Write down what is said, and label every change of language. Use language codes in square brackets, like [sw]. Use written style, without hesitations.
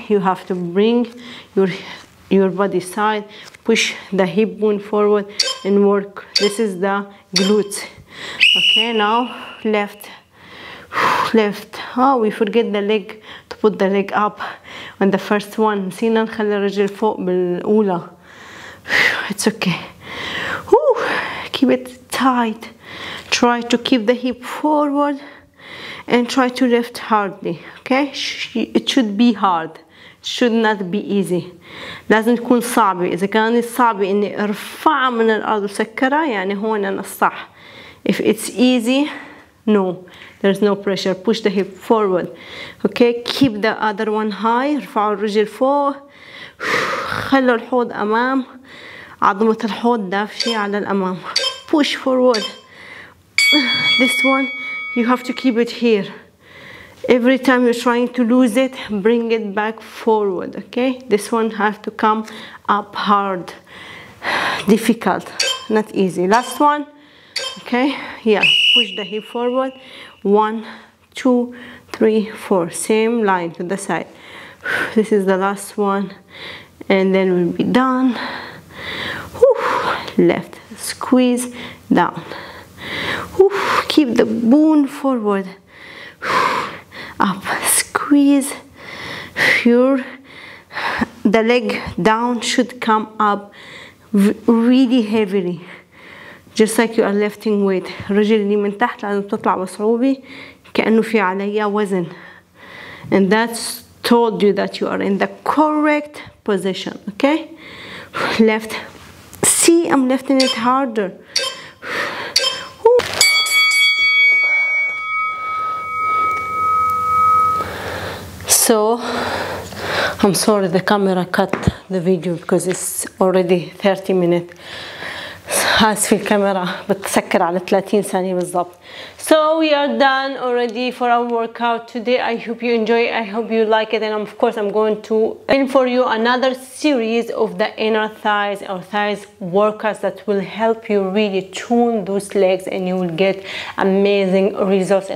[en] You have to bring your body side. Push the hip bone forward and work. This is the glutes. Okay. Now left. Left. Oh, we forget the leg. To put the leg up on the first one. [ar] نسينا نخلي الرجل فوق بالأولى. [en] It's okay. Ooh, keep it tight. Try to keep the hip forward and try to lift hardly. Okay? It should be hard. Should not be easy. [ar] لازم تكون صعبة. إذا كان صعبة إني أرفع من الأرض وسكرها يعني هون أنا الصح. [en] If it's easy, no. There's no pressure. Push the hip forward. Okay? Keep the other one high. [ar] ارفعوا الرجل فوق. خلوا الحوض أمام. عظمة الحوض دافشة على الأمام. [en] Push forward. This one, you have to keep it here. Every time you're trying to lose it, bring it back forward, okay? This one has to come up hard. Difficult, not easy. Last one, okay? Yeah, push the hip forward. One, two, three, four. Same line to the side. This is the last one. And then we'll be done. Whew. Left, squeeze down. Whew. Keep the bone forward. Up, squeeze your the leg down should come up really heavily, just like you are lifting weight. [ar] رجل اللي من تحت لازم تطلع بصعوبة كأنه في عليها وزن. [en] And that's told you that you are in the correct position. Okay, left. See, I'm lifting it harder. So, I'm sorry the camera cut the video because it's already 30 minutes. [ar] حاسة في الكاميرا بتسكر على 30 ثانية بالضبط. [en] So, we are done already for our workout today. I hope you enjoy it. I hope you like it. And of course, I'm going to bring for you another series of the inner thighs or thighs workouts that will help you really tune those legs and you will get amazing results.